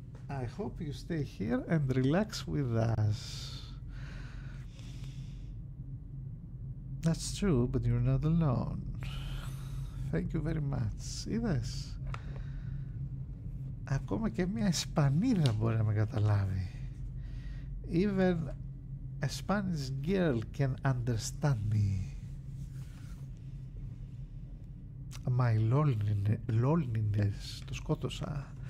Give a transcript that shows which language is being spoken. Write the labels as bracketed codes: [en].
[en] I hope you stay here and relax with us. That's true, but you're not alone. Thank you very much. [el] Είδες? Ακόμα και μια Ισπανίδα μπορεί να με καταλάβει. [en] Even a Spanish girl can understand me. My loneliness, [el] το σκότωσα.